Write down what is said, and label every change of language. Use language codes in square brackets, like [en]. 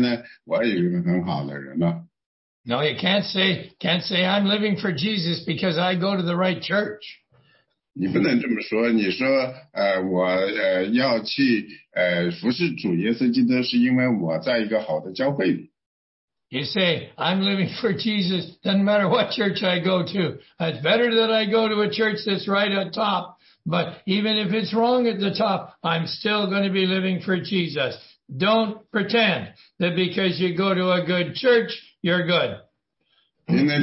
[zh] 因为我就说呢，如果那个沙迪那个教会呢，它的名声很好呢，我就去那个教会。如果那个教会是个好教会呢，那么我也去那个教会。我去了那个教会呢，我也有一个很好的人了。 [en] No, you can't say, I'm living for Jesus because I go to the right church. [zh] 你不能这么说，你说，我要去服侍主耶稣基督，是因为我在一个好的教会里。 [en] You say, I'm living for Jesus, doesn't matter what church I go to. It's better that I go to a church that's right at top. But even if it's wrong at the top, I'm still going to be living for Jesus. Don't pretend that because you go to a good church, you're good.